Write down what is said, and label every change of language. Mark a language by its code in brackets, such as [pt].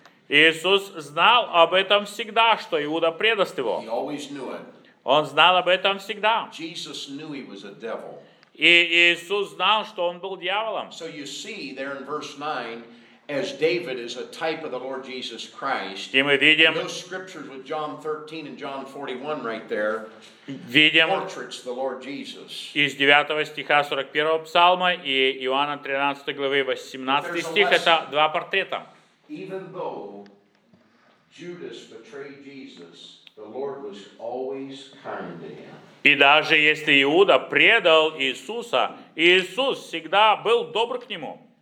[ru] Иисус знал об этом всегда, что Иуда предаст его. Он знал об этом всегда. [en] Jesus knew he was a devil. [ru] И Иисус знал, что он был дьяволом. [en] So you see there in verse 9, as David is a type of the Lord Jesus Christ. [ru] И мы видим, [en] those scriptures with John 13 and John 41 right there. [ru] Видим, [en] portraits the Lord Jesus. [ru] Из 9 стиха 41 псалма и Иоанна 13 главы 18 стих это два портрета. [en] Even though Judas betrayed Jesus, the Lord was always kind to him. [ru] И даже если Иуда предал Иисуса, Иисус всегда был добр к нему.